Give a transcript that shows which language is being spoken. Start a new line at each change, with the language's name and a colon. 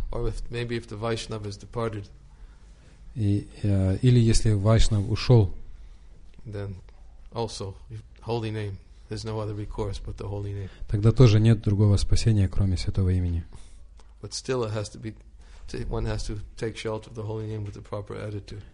English: Or if, maybe if the Vaishnava has departed.
Russian: Или если Вайшнав ушел,
English: then also holy name. There's no other recourse but the holy name.
Russian: Тогда тоже нет другого спасения, кроме святого имени.
English: But still it has to be one has to take shelter of the holy name with the proper attitude.